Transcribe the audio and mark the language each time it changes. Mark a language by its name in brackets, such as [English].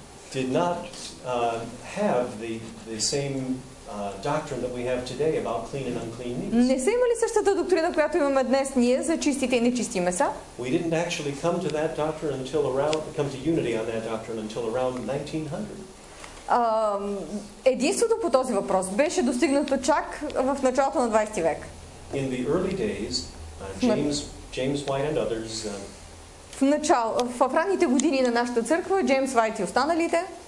[English] did not have the same doctrine that we have today about clean and unclean meats. [Bulgarian] Не са имали същата доктрина, която имаме днес ние за чистите и нечисти меса. [English] We didn't actually come to that doctrine until around come to unity on that doctrine until around 1900. [Bulgarian] Единството по този въпрос беше достигнато чак в началото на 20 век. [English] In the early days, James White and others. [Bulgarian] В ранните години на нашата църква Джеймс Уайт и останалите